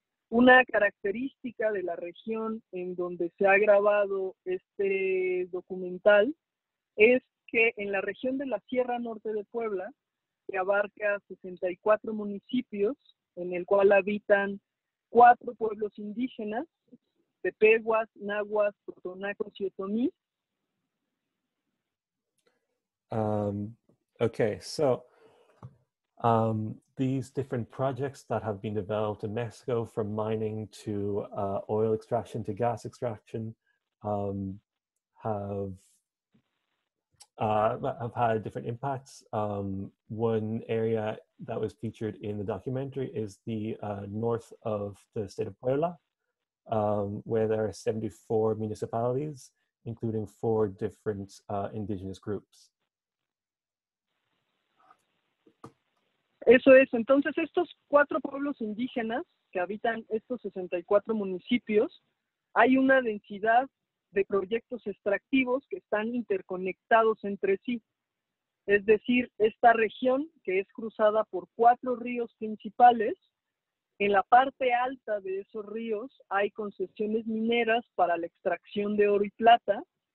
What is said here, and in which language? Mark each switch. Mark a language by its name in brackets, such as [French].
[Spanish] Una característica de la región en donde se ha grabado este documental es que en la región de la Sierra Norte de Puebla, que abarca 64 municipios, en el cual habitan 4 pueblos indígenas, Tepehuas, Nahuas, Totonacos y Otomí. [English] Okay, so these different projects that have been developed in Mexico, from mining to oil extraction to gas extraction, have had different impacts. One area that was featured in the documentary is the north of the state of Puebla, where there are 74 municipalities, including 4 different indigenous groups. [Spanish] Eso es. Entonces, estos 4 pueblos indígenas que habitan estos 64 municipios, hay una densidad de proyectos extractivos que están interconectados entre sí. Es decir, esta región, que es cruzada por 4 ríos principales, en la parte alta de esos ríos hay concesiones mineras para la extracción de oro y plata.